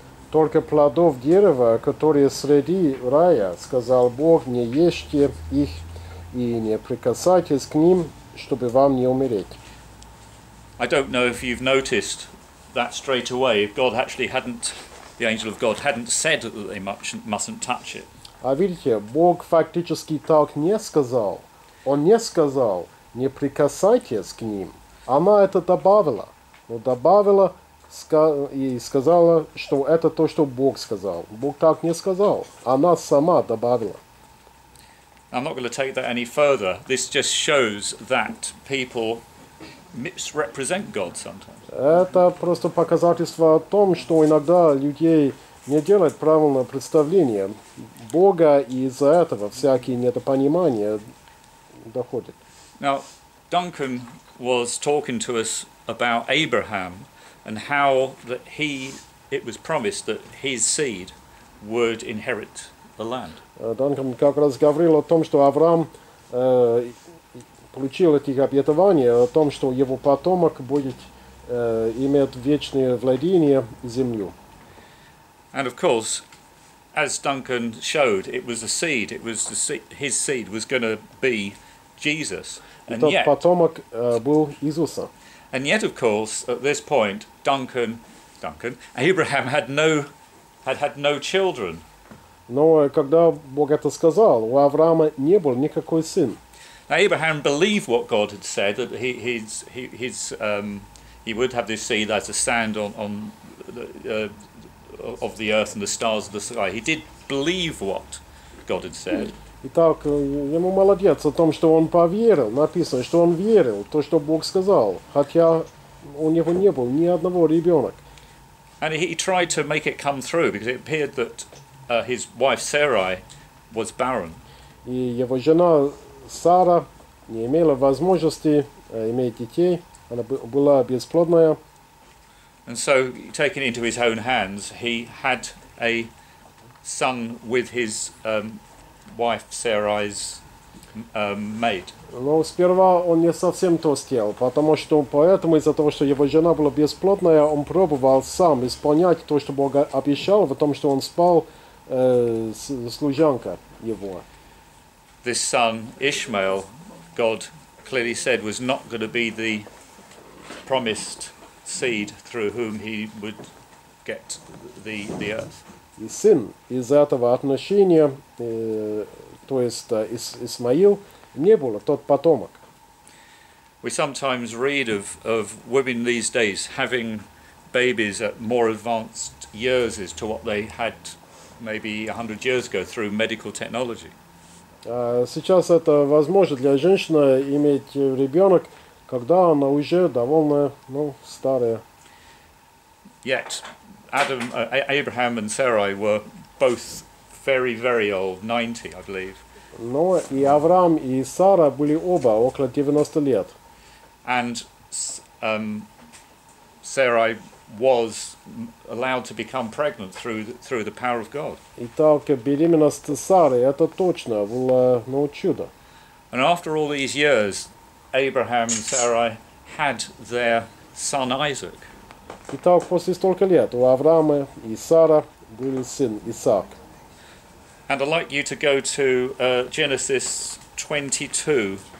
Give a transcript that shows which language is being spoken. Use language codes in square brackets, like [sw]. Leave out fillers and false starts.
[ru] Только плодов дерева, которые среди рая, сказал Бог, не ешьте их и не прикасайтесь к ним, чтобы вам не умереть. [en] I don't know if you've noticed that straight away, if God actually hadn't, the angel of God hadn't said that they mustn't touch it. [ru] А видите, Бог фактически так не сказал. Он не сказал, не прикасайтесь к ним. Она это добавила. Но добавила и сказала, что это то, что Бог сказал. Бог так не сказал. Она сама добавила. [en] I'm not going to take that any further. This just shows that people misrepresent God sometimes. [ru] Это просто показательство о том, что иногда людей не делают правильное представление Бога, и из-за этого всякие недопонимания доходят. [en] Now, Duncan was talking to us about Abraham and how that he it was promised that his seed would inherit the land. [ru] Данком как раз говорил о том, что Авраам получил этих обетований о том, что его потомок будет иметь вечное владение землю. [en] And of course, as Duncan showed, it was a seed. It was the his seed was going to be Jesus. [ru] И тот потомок был Иисуса. [en] And yet, of course, at this point, Abraham had no children. [ru] Но когда Бог это сказал, у Авраама не было никакой сын. [en] Now Abraham believed what God had said that he would have this seed as a sand on the earth and the stars of the sky. He did believe what God had said. [ru] Итак, ему молодец о том, что он поверил. Написано, что он верил то, что Бог сказал, хотя у него не было ни одного ребенка. [en] And he tried to make it come through because it appeared that his wife Sarai was barren. [ru] И его жена Сара не имела возможности иметь детей. Она была бесплодная. [en] And so, taking into his own hands, he had a son with his wife Sarai's maid. [ru] Но сперва он не совсем то сделал, потому что поэтому из-за того, что его жена была бесплодная, он пробовал сам исполнять то, что Бог обещал, в том, что он спал служанка его. [en] This son Ishmael, God clearly said was not going to be the promised seed through whom he would get the earth. [ru] И сын из этого отношения, то есть Исмаил, не был тот потомок. [en] We sometimes read of women these days having babies at more advanced years as to what they had maybe 100 years ago through medical technology. [ru] Сейчас это возможно для женщины иметь ребенок, когда она уже довольно, ну, старая. [en] Yet Adam, Abraham and Sarai were both very, very old, 90, I believe. [ru] Но и Авраам и Сара были оба около 90 лет. [en] And Sarai was allowed to become pregnant through the power of God. [ru] Итак, беременность Сары, это точно было, ну, чудо. [en] And after all these years, Abraham and Sarai had their son Isaac. [ru] Итак, после столько лет у Авраама и Сары был сын Исаак. [en] And I'd like you to go to Genesis 22.